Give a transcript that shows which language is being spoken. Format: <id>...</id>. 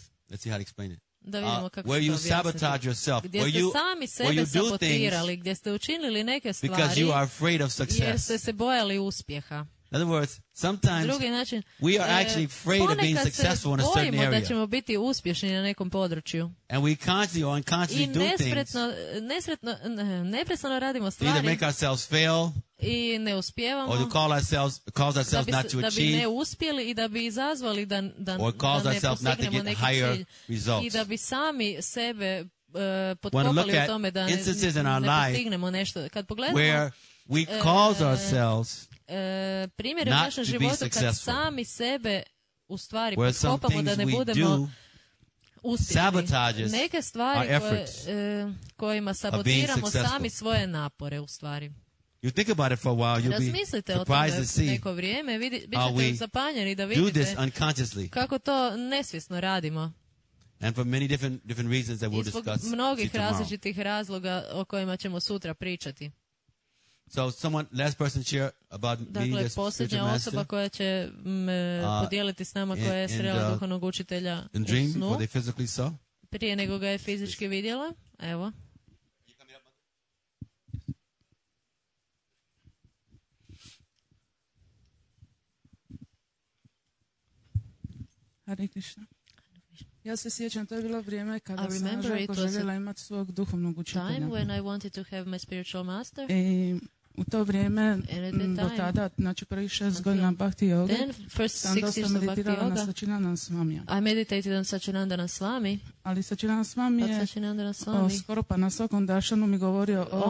<en>let's see how to explain it.</en> <hr>Da vidimo kako</hr> <en>where you sabotage yourself,</en> <hr>gdje</hr> <en>you,</en> <hr>ste sami sebe sabotirali, gdje ste učinili neke stvari</hr> <en>you are afraid of success.</en> <hr>Jer ste se bojali uspjeha.</hr> <en>In other words, sometimes we are actually afraid of being successful in a certain area.</en> <hr>Da ćemo biti uspješni na nekom području.</hr> <en>And we constantly or unconsciously do things.</en> <hr>I neprestano radimo stvari.</hr> <en>Either make ourselves fail.</en> <hr>I ne uspijevamo.</hr> <en>Or to cause ourselves not to achieve.</en> <hr>Da bi ne uspjeli i da bi izazvali da</hr> <en>or cause ourselves not to get higher results.</en> <hr>I da bi sami sebe potkopali u tome da ne postignemo nešto. Kad pogledamo</hr> <en>where we cause ourselves</en> <hr>primjer u našem životu kad sami sebe u stvari potkopamo da ne budemo uspješni. Neke stvari kojima sabotiramo sami svoje napore u stvari.</hr> <en>You think about it for a while, you'll</en> <hr>razmislite</hr> <en>be surprised to see</en> <hr>neko vrijeme, bit ćete zapanjeni da vidite kako to nesvjesno radimo.</hr> <en>And for many different reasons that we'll discuss.</en> <hr>Zbog mnogih različitih razloga o kojima ćemo sutra pričati.</hr> <en>So someone last person share about</en> <hr>dakle,</hr> <en>me this</en> <hr>posljednja osoba koja će me podijeliti s nama koja je srela duhovnog učitelja</hr> <en>in dream, before they physically saw.</en> <hr>Prije nego ga je fizički vidjela. Evo.</hr> <sa>Hare Krishna.</sa> <hr>Ja se sjećam, to je bilo vrijeme kada sam željela imati svog duhovnog učitelja.</hr> <en>Time when I wanted to have my spiritual master.</en> <hr>U to vrijeme, do tada, znači prvi šest godina Bhakti Yoga, sam dosta meditirala na Sachinandana Swami.</hr> <en>I meditated on Sachinandana Swami.</en> <hr>Ali Sachinandana Swami je skoro pa na svakom dašanu mi govorio o...</hr>